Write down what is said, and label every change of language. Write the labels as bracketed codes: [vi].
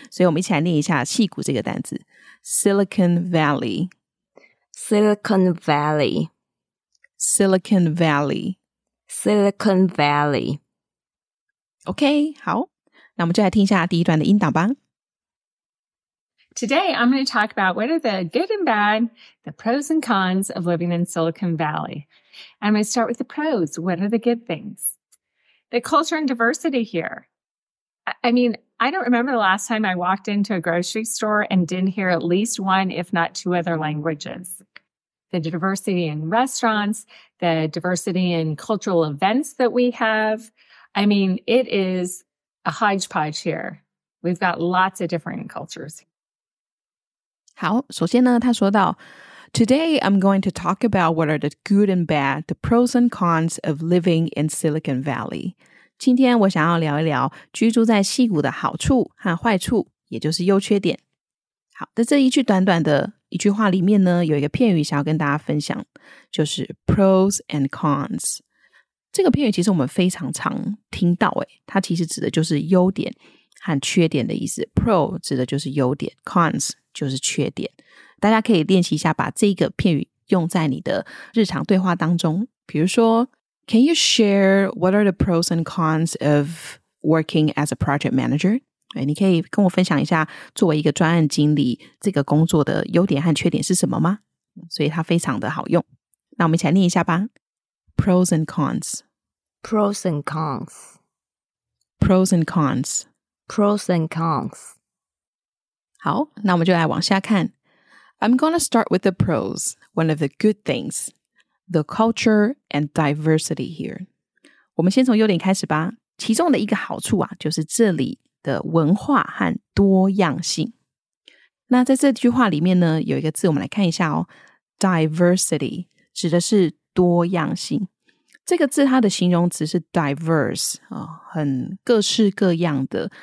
[zh] 所以我们一起来念一下矽谷这个单字 ：Silicon Valley。 [en] Silicon Valley, Silicon Valley, Silicon Valley. [zh] OK, 好，那我们就来听一下第一段的音档吧。 [en] Today, I'm going to talk about what are the good and bad, the pros and cons of living in Silicon Valley. I'm going to start with the pros. What are the good things? The culture and diversity here. I don't remember the last time I walked into a grocery store and didn't hear at least one, if not two, other languages. The diversity in restaurants, the diversity in cultural events that we have. I mean, it is a hodgepodge here. We've got lots of different cultures. 好，首先呢，他说到 ，Today I'm going to talk about what are the good and bad, the pros and cons of living in Silicon Valley. [zh] 今天我想要聊一聊居住在矽谷的好处和坏处，也就是优缺点。好，在这一句短短的一句话里面呢，有一个片语想要跟大家分享，就是 pros and cons。这个片语其实我们非常常听到，它其实指的就是优点和缺点的意思。 pro 指的就是优点， cons 就是缺点。大家可以练习一下把这个片语用在你的日常对话当中，比如说 [en] Can you share what are the pros and cons of working as a project manager? [zh] 你可以跟我分享一下作为一个专案经理这个工作的优点和缺点是什么吗？所以它非常的好用。那我们一起来念一下吧。 [en] Pros and cons. Pros and cons. Pros and cons. Pros and cons. [zh] 好，那我们就来往下看。 [en] I'm going to start with the pros, one of the good things. The culture and diversity here. [zh] 我们先从优点开始吧。其中的一个好处啊，就是这里的文化和多样性。那在这句话里面呢，有一个字我们来看一下哦。 Diversity 指的是多样性。这个字它的形容词是 diverse,很各式各样的。